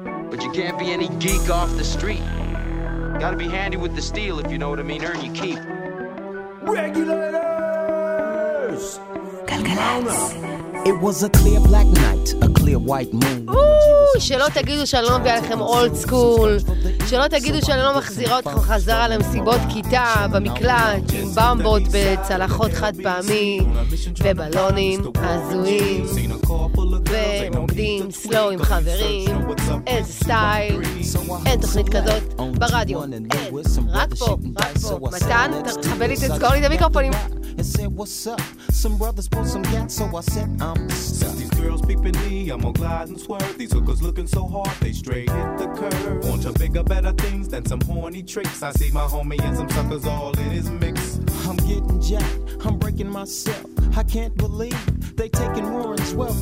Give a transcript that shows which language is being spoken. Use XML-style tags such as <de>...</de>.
<en>But you can't be any geek off the street. Gotta be handy with the steel if you know what I mean. Earn your keep. Regulators! Galgalax! It was a clear black night, a clear white moon.</en> <he>שלא תגידו שאני לא מביאה לכם</he> <en>אולד סקול,</en> <he>שלא תגידו שאני לא מחזירה אתכם חזרה למסיבות כיתה, במקלט, עם במבות בצלחות חד פעמי, ובלונים הזויים, ועומדים סלו עם חברים, איזה סטייל, אין תוכנית כזאת ברדיו, אין, רק פה, רק פה. מתן, תחבל לי, תסגור לי את המיקרופונים.</he> <en>And said, what's up? Some brothers pulled some gas, so I said, I'm stuck. Since these girls peeping me, I'm gonna glide and swerve. These hookers looking so hard, they straight hit the curve. Want to bigger, better things than some horny tricks. I see my homie and some suckers all in his mix. I'm getting jacked, I'm breaking myself. I can't believe they taking Warren's wealth.</en>